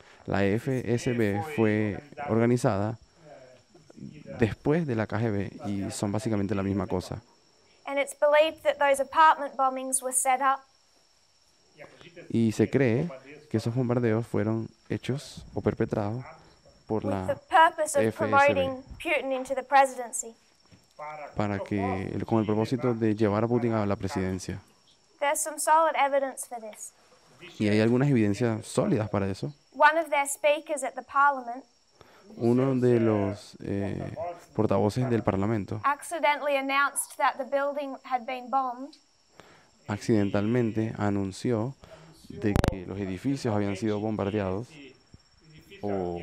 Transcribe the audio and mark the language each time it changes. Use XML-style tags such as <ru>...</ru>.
<es>La FSB fue organizada después de la KGB y son básicamente la misma cosa.</es> <en>And it's believed that those apartment bombings were set up.</en> <es>Y se cree que esos bombardeos fueron hechos o perpetrados por</es> <en>With the</en> <es>la</es> <en>purpose of</en> <es>FSB.</es> <en>promoting Putin into the presidency.</en> <es>Para que, con el propósito de llevar a Putin a la presidencia.</es> <en>There's some solid evidence for this.</en> <es>Y hay algunas evidencias sólidas para eso.</es> <en>One of their speakers at the parliament</en> <es>Uno de los portavoces del Parlamento</es> <en>accidentally announced that the building had been bombed.</en> <es>accidentalmente anunció de que los edificios habían sido bombardeados o</es>